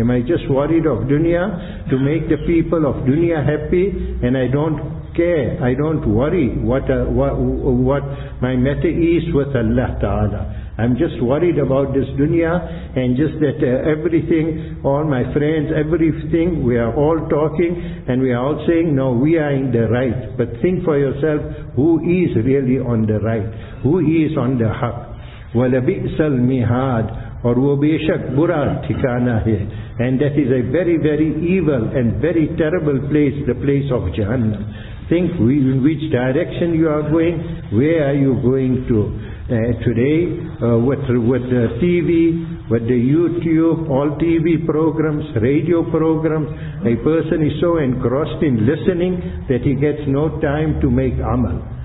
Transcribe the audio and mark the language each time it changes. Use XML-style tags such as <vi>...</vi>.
<en>Am I just worried of dunya to make the people of dunya happy, and I don't care, I don't worry what my matter is with Allah Ta'ala. I'm just worried about this dunya, and just that everything, all my friends, everything, we are all talking, and we are all saying, no, we are in the right. But think for yourself, who is really on the right? Who is on the haq?</en> <ar>وَلَبِئْسَ الْمِهَادِ</ar> <ur>اور وہ بے شک برا ٹھکانہ ہے.</ur> <en>And that is a very, very evil and very terrible place, the place of Jahannam. Think in which direction you are going, where are you going to? Today, with the TV, with the YouTube, all TV programs, radio programs, a person is so engrossed in listening that he gets no time to make amal.</en>